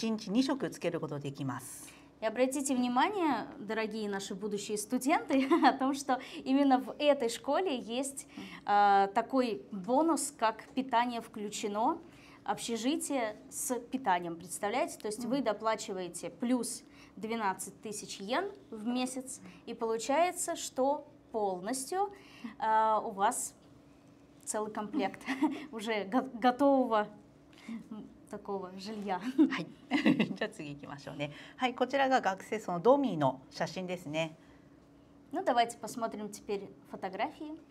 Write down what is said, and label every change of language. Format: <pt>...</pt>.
<ja>あと希望者には1ヶ月12,000円を家賃にプラスでご飯を1日2食つけることできます。</ja> <ru>И обратите внимание, дорогие наши будущие студенты, о том, что именно в этой школе есть такой бонус, как питание включено, общежитие с питанием, представляете? То есть вы доплачиваете плюс 12 тысяч йен в месяц, и получается, что полностью у вас целый комплект уже готового такого жилья.</ru> <ja>じゃあ次行きましょうね。はい、こちらが学生そのドーミーの写真ですね。</ja> <ru>Ну давайте посмотрим теперь фотографии.</ru>